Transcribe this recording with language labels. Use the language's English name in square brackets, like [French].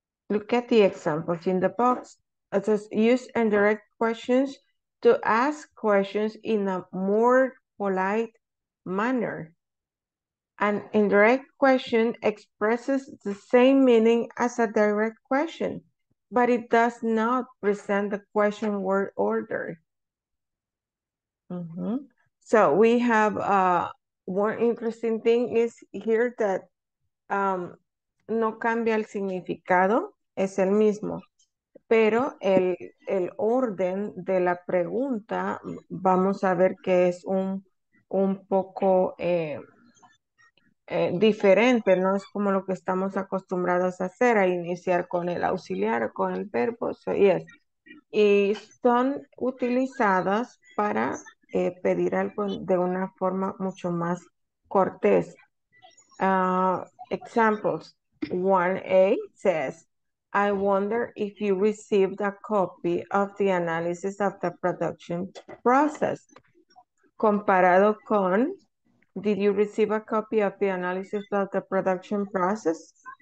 [English] Look at the examples in the box. It says use indirect questions to ask questions in a more polite manner. An indirect question expresses the same meaning as a direct question, but it does not present the question word order. Mm-hmm. So we have one interesting thing is here that [Spanish] no cambia el significado, es el mismo, pero el orden de la pregunta, vamos a ver que es un poco diferente, no es como lo que estamos acostumbrados a hacer, a iniciar con el auxiliar, con el verbo, [English] so yes. [Spanish] Y son utilizadas para pedir algo de una forma mucho más cortés. [English] Examples, 1A says, I wonder if you received a copy of the analysis of the production process. [Spanish] Comparado con, [English] did you receive a copy of the analysis of the production process?